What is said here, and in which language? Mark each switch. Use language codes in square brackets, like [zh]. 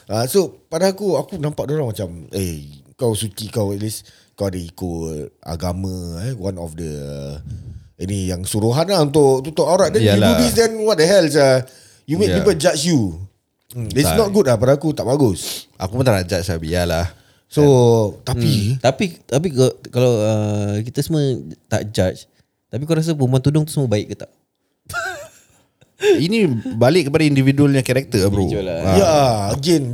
[ms] So pada aku nampak dia orang macam, kau suci, kau [en] at least [ms] kau ada ikut agama, [en] one of the [ms] ini yang suruhan lah untuk tutup aurat. [en] Then yalah, you do this, then what the hell, you make people judge you. It's not good lah, [ms] pada aku tak bagus. Aku pun tak nak judge, biarlah. So tapi kalau kita semua tak judge, tapi kau rasa perempuan tudung tu semua baik ke tak? Ini balik kepada individualnya karakter, bro. Ya, again.